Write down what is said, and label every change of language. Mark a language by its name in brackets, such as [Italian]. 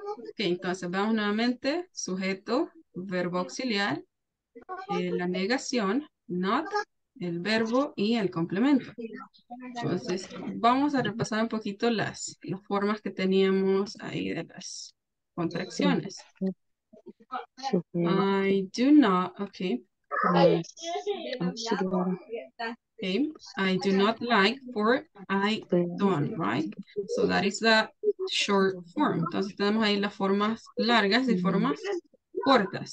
[Spanish] Okay, entonces vamos nuevamente. Sujeto, verbo auxiliar, la negación, not, el verbo y el complemento. Entonces, vamos a repasar un poquito las formas que teníamos ahí de las contracciones. [English] I do not, okay. I do not like for I don't, right? So that is the short form. [Spanish] Entonces tenemos ahí las formas largas y formas cortas.